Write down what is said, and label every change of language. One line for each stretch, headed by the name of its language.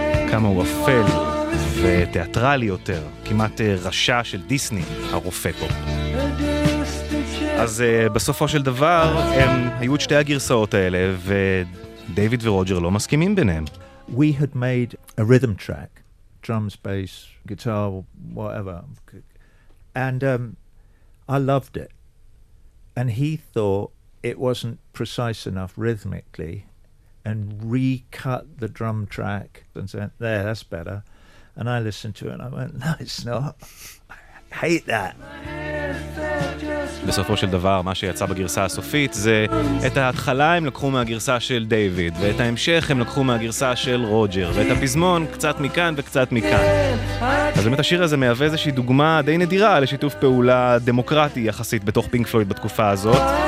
Hebrew: כמה הוא אפל ותיאטרלי יותר, כמעט רשע של דיסני, הרופא פה. אז בסופו של דבר, הם היו את שתי הגרסאות האלה, ודייוויד ורוג'ר לא מסכימים ביניהם.
English: We had made a rhythm track, drums, bass, guitar, whatever, and I loved it. And he thought it wasn't precise enough rhythmically, and recut the drum track and said, there, that's better. And I listened to it and I went, no, it's not. I hate that.
Hebrew: בסופו של דבר, מה שיצא בגרסה הסופית זה את ההתחלה הם לקחו מהגרסה של דיוויד, ואת ההמשך הם לקחו מהגרסה של רוג'ר, ואת הפזמון קצת מכאן וקצת מכאן. אז באמת השיר הזה מהווה איזושהי דוגמה די נדירה לשיתוף פעולה דמוקרטי יחסית בתוך פינק פלויד בתקופה הזאת.